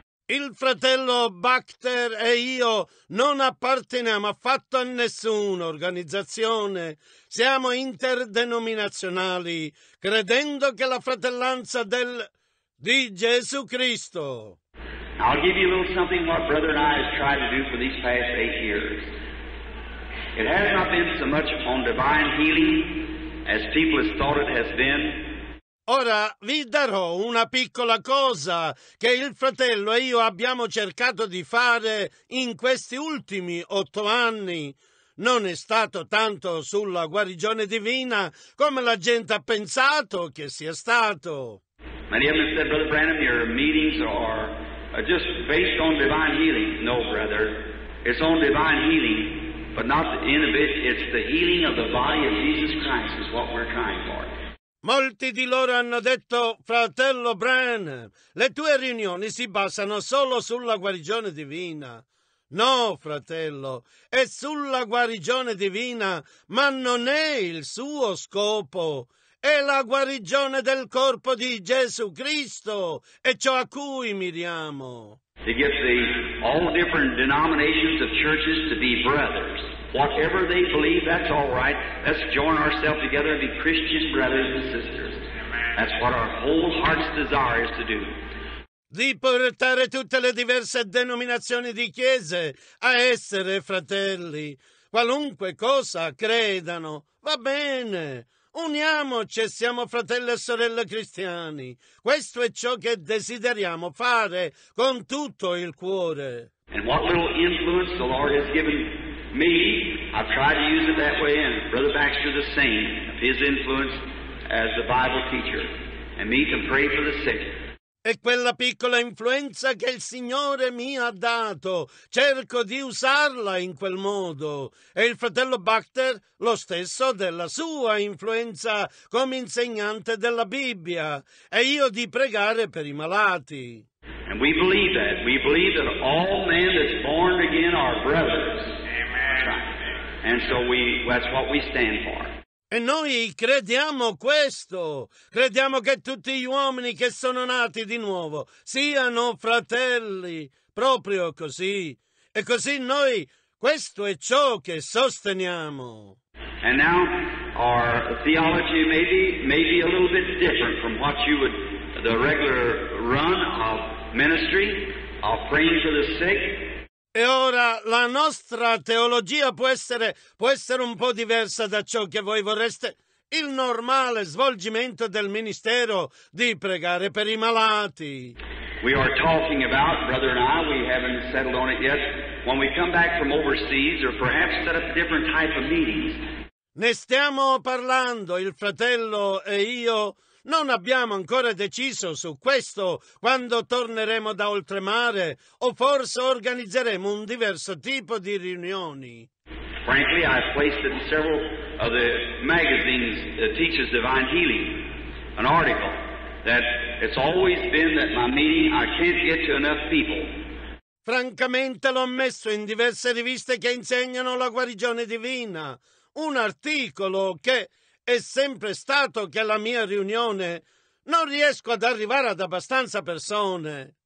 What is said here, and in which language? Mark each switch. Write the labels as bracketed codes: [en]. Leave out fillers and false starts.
[it] Il fratello Bachter e io non apparteniamo affatto a nessuna organizzazione. Siamo interdenominazionali, credendo che la fratellanza di Gesù Cristo. [en] I'll give you a little something what brother and I have tried to do for these past 8 years. It has not been so much on divine healing as people have thought it has been. [it] Ora vi darò una piccola cosa che il fratello e io abbiamo cercato di fare in questi ultimi 8 anni. Non è stato tanto sulla guarigione divina come la gente ha pensato che sia stato. [en] Many of them said, Brother Branham, your meetings are just based on divine healing. No, brother, it's on divine healing, but not the end of it. It's the healing of the body of Jesus Christ is what we're trying for. [it] Molti di loro hanno detto, fratello Bran, le tue riunioni si basano solo sulla guarigione divina. No, fratello, è sulla guarigione divina, ma non è il suo scopo. È la guarigione del corpo di Gesù Cristo e ciò a cui miriamo. [en] To get all the different denominations of churches to be brothers. Whatever they believe, that's all right. Let's join ourselves together and be Christian brothers and sisters. That's what our whole heart's desire is to do. [it] riportare tutte le diverse denominazioni di chiese a essere fratelli. Qualunque cosa credano, va bene. Uniamoci e siamo fratelli e sorelle cristiani. Questo è ciò che desideriamo fare con tutto il cuore. [en] And what little influence the Lord has given me, I've tried to use it that way, and Brother Baxter the same, his influence as a Bible teacher, and me can pray for the sick. [it] E quella piccola influenza che il Signore mi ha dato, cerco di usarla in quel modo. E il fratello Baxter, lo stesso della sua influenza come insegnante della Bibbia, e io di pregare per i malati. [en] And we believe that. We believe that all men that's born again are brothers. Amen. And so that's what we stand for. [it] E noi crediamo questo. Crediamo che tutti gli uomini che sono nati di nuovo siano fratelli. Proprio così. E così noi, questo è ciò che sosteniamo. [en] And now our theology may be a little bit different from what you would, the regular run of ministry, of praying for the sick. [it] E ora la nostra teologia può essere un po' diversa da ciò che voi vorreste, il normale svolgimento del ministero di pregare per i malati. [en] We are talking about, brother and I, we haven't settled on it yet, when we come back from overseas or perhaps set up a different type of meetings. [it] Ne stiamo parlando, il fratello e io. Non abbiamo ancora deciso su questo quando torneremo da oltremare o forse organizzeremo un diverso tipo di riunioni. [en] Frankly, I've placed in several of the magazines that teaches divine healing an article that it's always been that my meeting I can't get to enough people. [it] Francamente l'ho messo in diverse riviste che insegnano la guarigione divina, un articolo che è sempre stato che la mia riunione non riesco ad arrivare ad abbastanza persone.